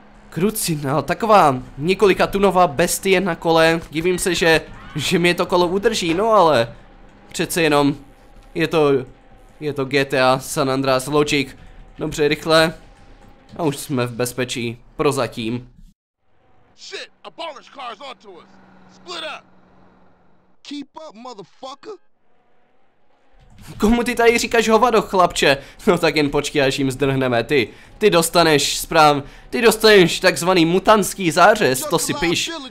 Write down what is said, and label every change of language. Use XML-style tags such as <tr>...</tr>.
<cs>Krucinál, taková několika tunová bestie na kole. Divím se, že mě to kolo udrží, no ale přece jenom je to GTA San Andreas Logic. Dobře, rychle. A už jsme v bezpečí. Prozatím.</cs> <en>Shit, a polish car is onto us. Split up. Keep up, motherfucker.</en> <cs>Komu ty tady říkáš hovado, chlapče? No tak jen počkej, až jim zdrhneme. Ty dostaneš takzvaný mutantský zářez, to si piš.</cs>